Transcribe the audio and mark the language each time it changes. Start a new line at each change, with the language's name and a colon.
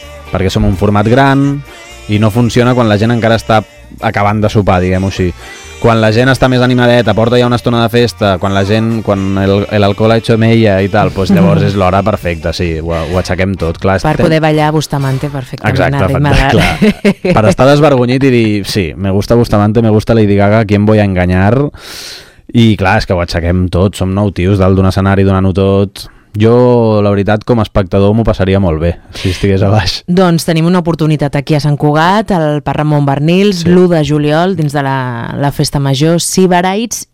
Catalan: Perquè som un format gran i no funciona quan la gent encara està acabant de sopar, diguem-ho així. Quan la gent està més animadeta, porta ja una estona de festa, quan l'alcohol
Spanish: ha hecho mella
Catalan: i tal, doncs llavors és l'hora perfecta, sí, ho aixequem tot. Clar, per poder ballar Bustamante perfectament. Exacte, perfecte, per estar desvergonyit i dir, sí,
Spanish: me gusta Bustamante, me gusta Lady Gaga, ¿quién voy a engañar?
Catalan: I clar, és que ho aixequem tot, som nou tios dalt d'un escenari donant-ho tot... Jo, la veritat, com a espectador m'ho passaria molt bé si estigués a baix. Doncs tenim una oportunitat aquí a Sant Cugat, al Parc Ramon Barnils, sí. L'1 de juliol, dins de la Festa Major, Sibarites.